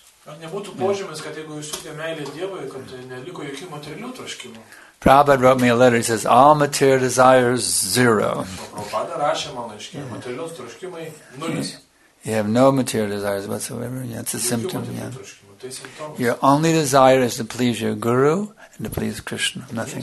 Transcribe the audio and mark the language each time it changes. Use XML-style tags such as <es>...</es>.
<lt>Ar nebūtų požymis, kad jeigu jūs jūtė meilę Dievui, kad neliko jokių materialių troškimų?</lt> <en>Prabhupada wrote me a letter, he says, all material desires, zero.</en> <lt>Prabhupada rašė man laiškį, materialios troškimai, nulis.</lt> <en>You have no material desires whatsoever, yeah, it's a symptom, yeah. Your only desire is to please your guru and to please Krishna, nothing</en>